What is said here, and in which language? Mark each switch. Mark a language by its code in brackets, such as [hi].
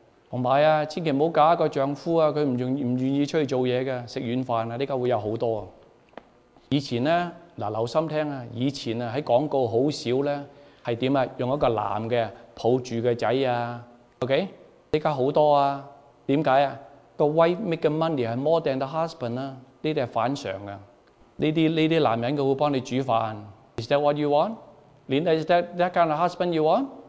[zh] 同埋啊，千祈不要嫁一个丈夫啊，他不愿意出去做事的，吃软饭啊，这个会有很多。以前呢，留心听啊，以前啊，在广告很少呢，是怎样啊，用一个男的抱住的仔啊。 OK? 这个很多啊。为什么啊？ [en] The wife make the money is more than the husband 啊， [zh] 这些是反常的。这些男人他会帮你煮饭。 [en] Is that what you want? Linda, is that kind of husband you want?